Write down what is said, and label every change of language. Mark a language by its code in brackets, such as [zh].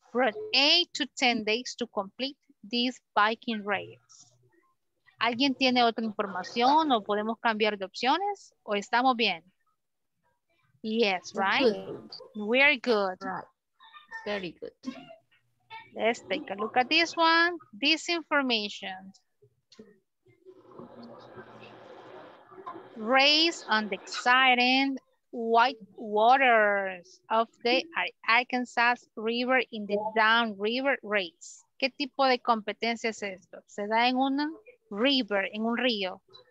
[en] From 8 to 10 days to complete this biking race. [es] ¿Alguien tiene otra información o podemos cambiar de opciones o estamos bien? [en] Yes, right? We're good. Very good. Let's take a look at this one. This information. Race on the exciting white waters of the Arkansas River in the Down River Race. [es] ¿Qué tipo de competencia es esto? Se da en un river, en un río.